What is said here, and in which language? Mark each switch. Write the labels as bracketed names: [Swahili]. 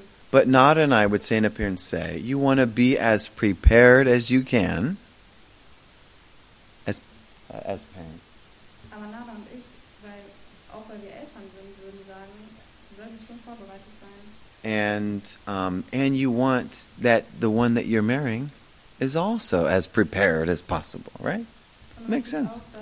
[English] But Nara and I would stand up here and say, you want to be as prepared as you can, as parents. [German] Aber Nara und ich, weil wir Eltern sind, würden sagen, sollte schon vorbereitet sein. [English] And you want that the one that you're marrying is also as prepared as possible, right? Makes sense.